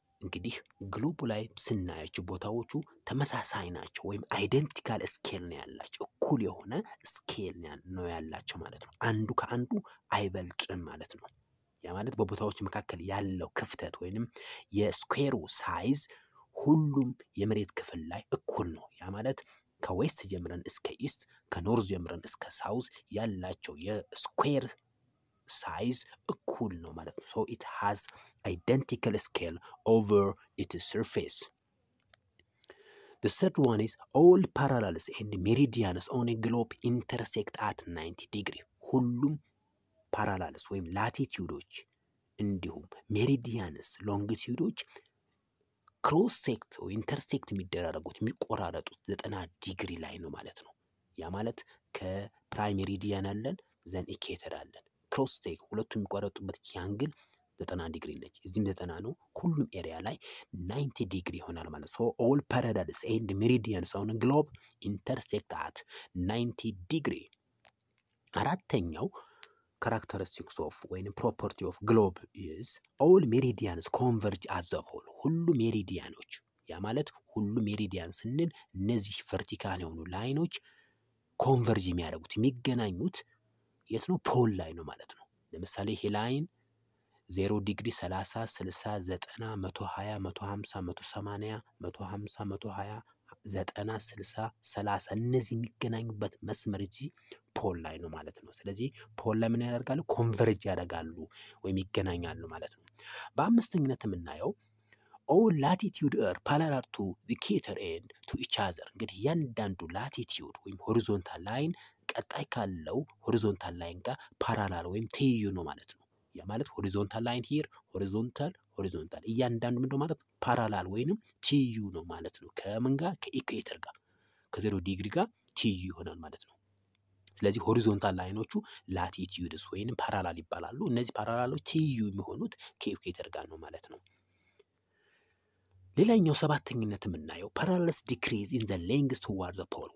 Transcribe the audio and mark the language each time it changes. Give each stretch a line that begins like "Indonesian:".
Amharic: እንግዲህ ግሎብ ላይ ስናያቸው ቦታዎቹ ተመሳሳይ ናቸው ወይም identical scale ነው ያላቸው። እኩል የሆነ scale ነው ያላቸው ማለት ነው። አንዱ ከአንዱ አይበልጥም ማለት ነው። ያ ማለት በቦታዎች መካከል ያለው ክፍተት ወይንም የስኩዌሩ ሳይዝ ሁሉም የመሬት ክፍል ላይ እኩል ነው። ያ ማለት ከዌስት ጀምረን እስከ ኢስት፣ ከኖርዝ ጀምረን እስከ ሳውዝ ያላቸው የስኩዌር ሳይዝ እኩል ነው ማለት ነው።
English: ሶ ኢት ሃዝ አይደንቲካል ስኬል ኦቨር ኢትስ ሰርፌስ። The third one is all parallels and meridians on a globe intersect at 90 degree.
Amharic: ሁሉም parallels ወይም latitudes እንዲሁም meridians longitudes cross sect ወይ intersect የሚደራረጉት የሚቆራረጡት 90 ዲግሪ ላይ ነው ማለት ነው። ያ ማለት ከprime meridian አለን ዘን equator አለን cross sect ሁለቱም የሚቆራረጡበት ያንግል 90 ዲግሪ ነች። እዚህም 90 ነው ሁሉም area ላይ 90 ዲግሪ ይሆናል ማለት ነው።
English: So all parallels and meridians on a globe intersect at 90 ዲግሪ። አራተኛው characteristics of when property of globe is all meridians converge as a whole.
Amharic: ሁሉ ሜሪዲያኖች ያ ማለት ሁሉ ሜሪዲያን ስንል እነዚህ ቨርቲካል የሆኑ ላይኖች ኮንቨርጅ የሚያደርጉት የሚገናኙት የት ነው? ፖል ላይ ነው ማለት ነው። ለምሳሌ ይሄ ላይን 0 ዲግሪ 30 60 90 120 150 180 150 120 90 60 30 እነዚህ የሚገናኙበት መስመር እዚህ ፖል ላይ ነው ማለት ነው። ስለዚህ ፖል ላይ ምን ያደርጋሉ? ኮንቨርጅ ያደርጋሉ ወይም ይገናኛሉ ማለት ነው። በአምስተኛነት የምናየው
English: all latitude are parallel to the equator and to each other.
Amharic: እንግዲህ ያንዳንዱ latitude ወይም ሆሪዞንታል ላይን ቀጣይ ካለው ሆሪዞንታል ላይን ጋር parallel ወይም ትይዩ ነው ማለት ነው። ያ ማለት ሆሪዞንታል ላይን here horizontal horizontal እያንዳንዱ ምንድነው ማለት parallel ወይንም ትይዩ ነው ማለት ነው። ከምን ጋር? ከኢኩዌተር ጋር ከዜሮ ዲግሪ ጋር ትይዩ ይሆናል ማለት ነው። ስለዚህ ሆሪዞንታል ላይኖቹ latitudes ወይንም parallel ይባላሉ። እነዚህ parallelዎች ትይዩ የሚሆኑት ከኢኩዌተር ጋር ነው ማለት ነው። ሌላኛው ሰባተኛነት የምናየው
English: parallels decrease in the length towards the pole.